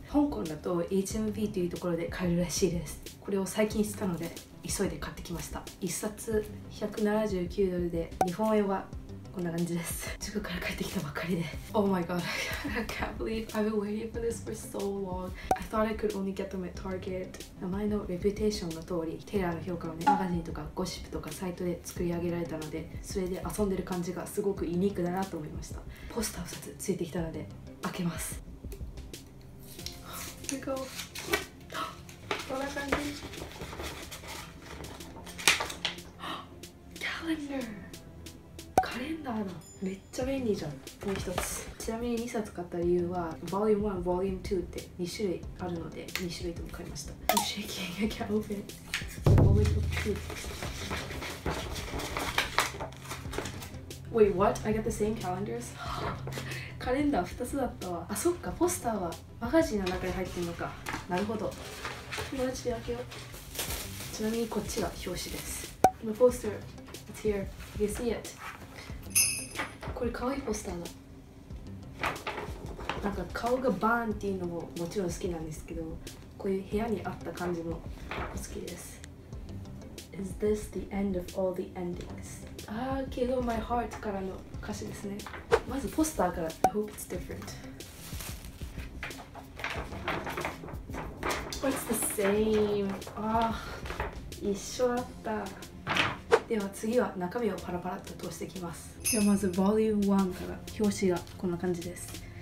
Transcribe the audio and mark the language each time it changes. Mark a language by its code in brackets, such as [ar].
[ja] 香港だと HMV というところで買えるらしいです。これを最近知ったので急いで買ってきました。 1冊179ドルで、日本円はこんな感じです。塾から帰ってきたばかりで。 [en] Oh my god. I can't believe I've been waiting for this for so long. I thought I could only get them at Target. [ja] 名前の Reputation の通り、テイラーの評価をね、マガジンとかゴシップとかサイトで作り上げられたので、それで遊んでる感じがすごくユニークだなと思いました。ポスター2つついてきたので、開けます。 [en] Here we go. [ja] こんな感じ。 Calendar! カレンダーだ。めっちゃ便利じゃん。もう一つ。ちなみに2冊買った理由は、Volume 1、Volume 2って2種類あるので、2種類とも買いました。 [en] I'm shaking, I can't open Volume 2. Wait, what? I got the same calendars? [ja] カレンダー2つだったわ。あ、そっか、ポスターはマガジンの中に入ってるのか。なるほど。マジで開けよう。ちなみにこっちが表紙です。 [en] The poster, it's here. You see it? [ja] これ可愛いポスターだ。なんか顔がバーンっていうのももちろん好きなんですけど、こういう部屋に合った感じも好きです。 [en] Is this the end of all the endings? [ja] Ah, Kill My Heart からの歌詞ですね。まずポスターから。 [en] I hope it's different. It's the same. Ah, [ja] 一緒だった。では次は中身をパラパラっと通していきます。ではまず Volume 1から表紙がこんな感じです。